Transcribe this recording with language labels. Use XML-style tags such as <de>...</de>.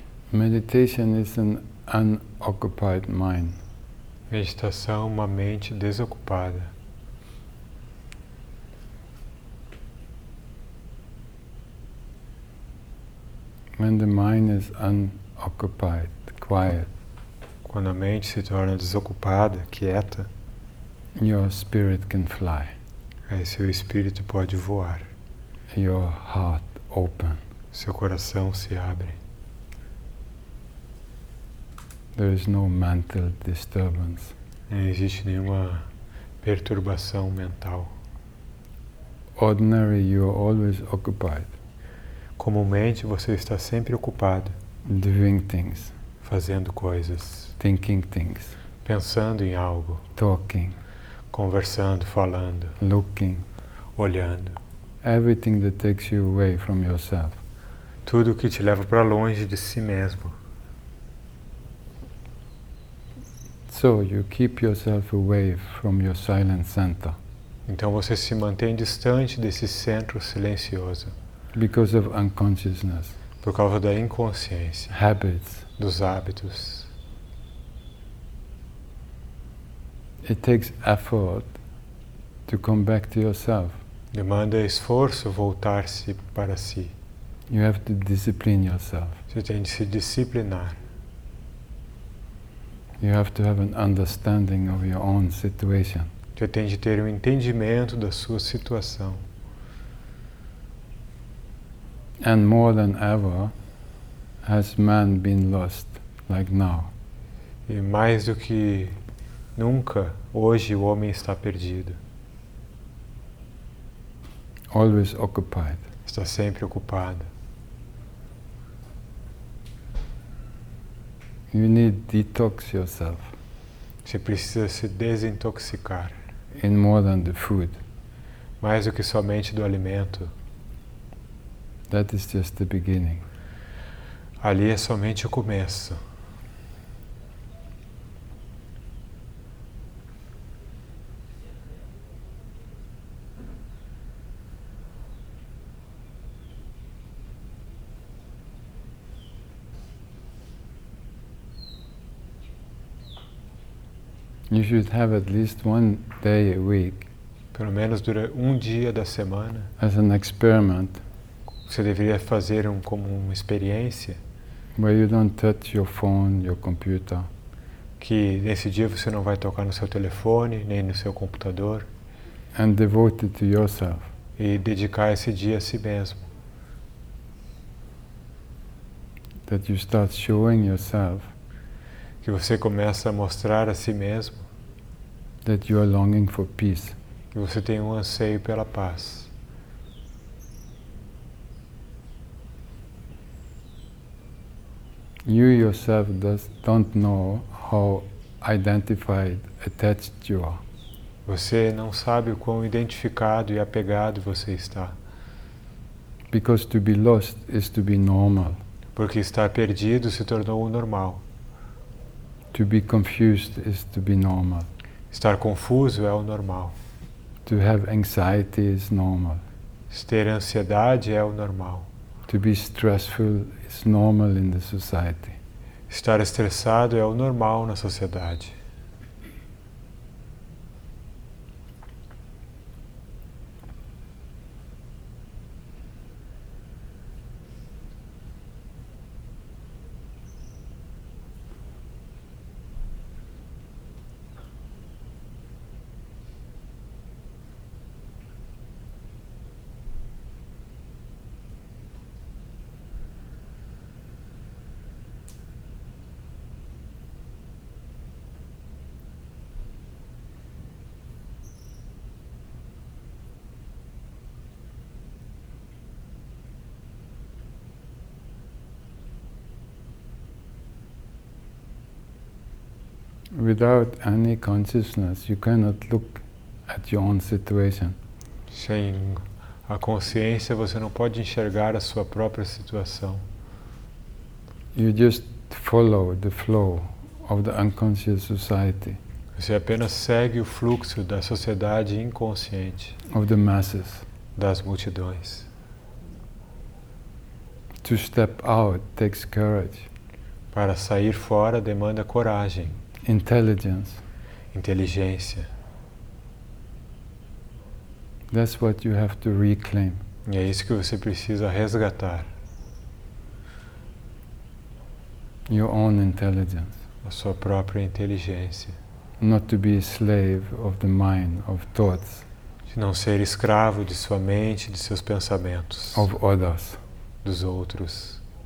<en>Meditation is an unoccupied mind.</en> <pt>Meditação, uma mente desocupada.</pt> <en>When the mind is unoccupied, quiet,</en> <pt>quando a mente se torna desocupada, quieta,</pt> <en>your spirit can fly.</en> <pt>Aí seu espírito pode voar.</pt> <en>Your heart open.</en> <pt>Seu coração se abre.</pt> <en>There is no mental disturbance.</en> <pt>Não existe nenhuma perturbação mental.</pt> <en>Ordinary, you are always occupied.</en> <pt>Comumente, você está sempre ocupado.</pt> <en>Doing things.</en> <pt>Fazendo coisas.</pt> <en>Thinking things.</en> <pt>Pensando em algo.</pt> <en>Talking.</en> <pt>Conversando, falando.</pt> <en>Looking.</en> <pt>Olhando.</pt> <en>Everything that takes you away from yourself.</en> <pt>Tudo que te leva para longe de si mesmo.</pt> <en>So you keep yourself away from your silent center.</en> <pt>Então você se mantém distante desse centro silencioso.</pt> <en>Because of unconsciousness.</en> <pt>Por causa da inconsciência.</pt> <en>Habits.</en> <pt>Dos hábitos.</pt> <en>It takes effort to come back to yourself.</en> <pt>Demanda esforço voltar-se para si.</pt> <en>You have to discipline yourself.</en> <pt>Você tem de se disciplinar.</pt> <en>You have to have an understanding of your own situation.</en> <pt>Você tem de ter um entendimento da sua situação.</pt> <en>And more than ever has man been lost like now.</en> <pt>E mais do que nunca, hoje o homem está perdido.</pt> <en>Always occupied.</en> <pt>Está sempre ocupado.</pt> <en>You need detox yourself.</en> <pt>Você precisa se desintoxicar.</pt> <en>In more than the food.</en> <pt>Mais do que somente do alimento.</pt> <en>That is just the beginning.</en> <pt>Ali é somente o começo.</pt> <en>You should have at least one day a week.</en> <pt>Pelo menos durante um dia da semana.</pt> <en>As an experiment.</en> <pt>Você deveria fazer como uma experiência.</pt> <en>Where you don't touch your phone, your computer.</en> <pt>Que nesse dia você não vai tocar no seu telefone nem no seu computador.</pt> <en>And devote it to yourself.</en> <pt>E dedicar esse dia a si mesmo.</pt> <en>That you start showing yourself.</en> <pt>Que você começa a mostrar a si mesmo.</pt> <en>That you are longing for peace.</en> <pt>Que você tem um anseio pela paz.</pt> <en>You yourself don't know how identified, attached you are.</en> <pt>Você não sabe o quão identificado e apegado você está.</pt> <en>Because to be lost is to be normal.</en> <pt>Porque estar perdido se tornou o normal.</pt> <en>To be confused is to be normal.</en> <pt>Estar confuso é o normal.</pt> <en>To have anxiety is normal.</en> <pt>Ter ansiedade é o normal.</pt> <en>To be stressful is normal in the society.</en> <pt>Estar estressado é o normal na sociedade.</pt> <en>Without any consciousness, you cannot look at your own situation.</en> <pt>Sem a consciência, você não pode enxergar a sua própria situação.</pt> <en>You just follow the flow of the unconscious society.</en> <pt>Você apenas segue o fluxo da sociedade inconsciente.</pt> <en>Of the masses.</en> <pt>Das multidões.</pt> <en>To step out takes courage.</en> <pt>Para sair fora demanda coragem.</pt> <en>Intelligence.</en> <pt>Inteligência.</pt> <en>That's what you have to reclaim.</en> <pt>E é isso que você precisa resgatar.</pt> <en>Your own intelligence.</en> <pt>A sua própria inteligência.</pt> <en>Not to be a slave of the mind, of thoughts.</en> <pt>De não ser escravo de sua mente, de seus pensamentos.</pt> <en>Of others.</en> <pt>Dos outros.</pt>